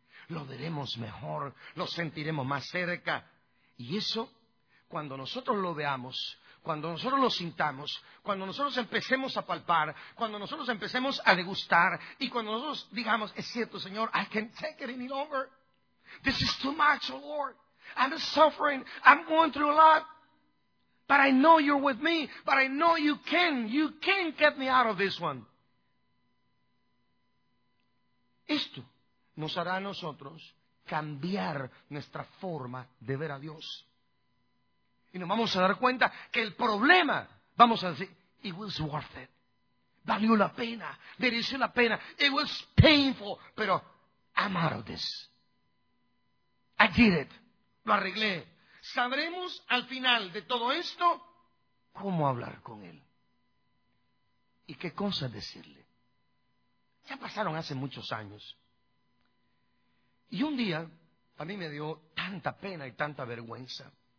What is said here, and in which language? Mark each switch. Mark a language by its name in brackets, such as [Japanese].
[Spanish] Lo veremos mejor, lo sentiremos más cerca. Y eso, cuando nosotros lo veamos, cuando nosotros lo sintamos, cuando nosotros empecemos a palpar, cuando nosotros empecemos a degustar, y cuando nosotros digamos, es cierto, Señor, [English] I can't take it any longer. This is too much, oh Lord. I'm suffering, I'm going through a lot. But I know you're with me. But I know you can. You can get me out of this one. [Spanish] Esto nos hará a nosotros cambiar nuestra forma de ver a Dios. Y nos vamos a dar cuenta que el problema, vamos a decir, [English] it was worth it. [Spanish] Valió la pena, mereció la pena. [English] It was painful, pero I'm out of this. I did it. [Spanish] Lo arreglé. Sabremos al final de todo esto cómo hablar con Él. Y qué cosa decirle. Ya pasaron hace muchos años. Y un día, a mí me dio tanta pena y tanta vergüenza.